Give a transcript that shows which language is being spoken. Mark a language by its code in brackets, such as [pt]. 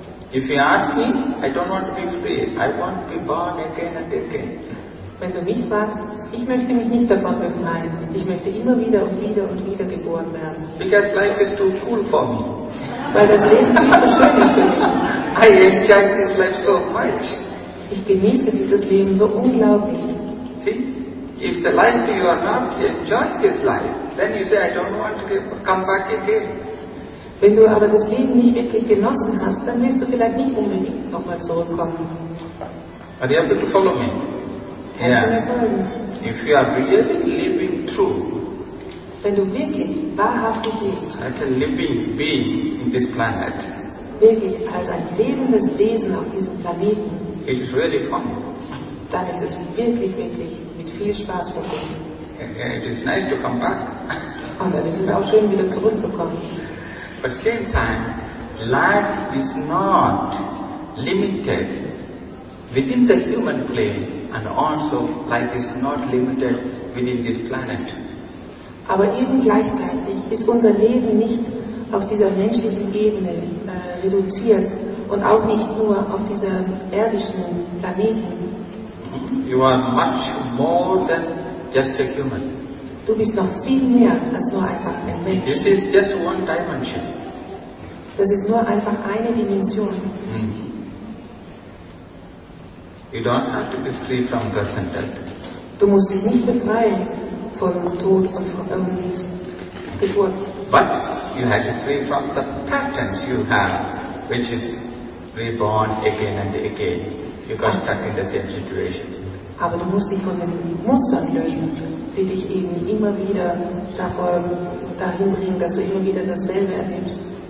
[en] If you ask me, I don't want to be free. I want to be born again and again. [de] Wenn du mich fragst, ich möchte mich nicht davon befreien. Ich möchte immer wieder und wieder und wieder geboren werden. [en] Because life is too cool for me. [de] Weil das Leben viel zu schön ist für mich. [en] I enjoy this life so much. [de] Ich genieße dieses Leben so unglaublich. [en] See? If the life you are not enjoying this life, then you say, I don't want to come back again. [de] Wenn du aber das Leben nicht wirklich genossen hast, dann wirst du vielleicht nicht unbedingt nochmal zurückkommen. [en] Are you able to follow me? Yeah. If you are really living true, [de] wenn du wirklich wahrhaftig lebst, [en] like a living being in this planet, [de] wirklich als ein lebendes Wesen auf diesem Planeten, [en] it is really fun. [de] Dann ist es wirklich, wirklich mit viel Spaß verbunden. [en] Yeah, it is nice to come back. [de] Und dann ist es auch schön, wieder zurückzukommen. [en] But at the same time, life is not limited within the human plane, and also life is not limited within this planet. [de] Aber eben gleichzeitig ist unser Leben nicht auf dieser menschlichen Ebene reduziert und auch nicht nur auf dieser irdischen Planeten. [en] You are much more than just a human. [de] Du bist noch viel mehr als nur einfach ein Mensch. [en] This is just one dimension. [de] Das ist nur einfach eine Dimension. [en] You don't have to be free from birth and death. [de] Du musst dich nicht befreien von Tod und von Geburt. [en] But you have to be free from the patterns you have, which is reborn again and again. You got stuck in the same situation. [de] Aber du musst dich von den Mustern lösen, die dich eben immer wieder dahin bringen, dass du immer wieder dasselbe erlebst.